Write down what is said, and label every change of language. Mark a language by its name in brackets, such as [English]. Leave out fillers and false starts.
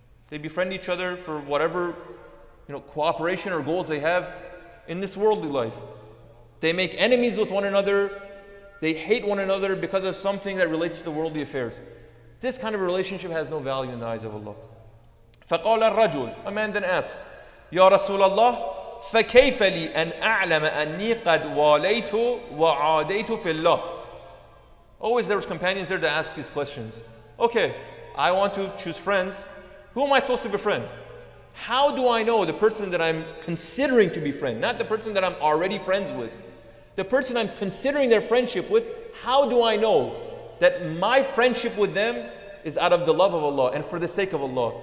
[English] They befriend each other for whatever, you know, cooperation or goals they have in this worldly life. They make enemies with one another. They hate one another because of something that relates to the worldly affairs. This kind of relationship has no value in the eyes of Allah. [Arabic] فَقَالَ الرَّجُلُ. [English] A man then asked, [Arabic] يَا رَسُولَ اللَّهِ فَكَيْفَ لِي أَنْ أَعْلَمَ أَنِّي قَدْ وَالَيْتُ وَعَادَيْتُ فِي اللَّهِ. [English] Always there was companions there to ask his questions. Okay, I want to choose friends. Who am I supposed to befriend? How do I know the person that I'm considering to befriend, not the person that I'm already friends with, the person I'm considering their friendship with, how do I know that my friendship with them is out of the love of Allah and for the sake of Allah?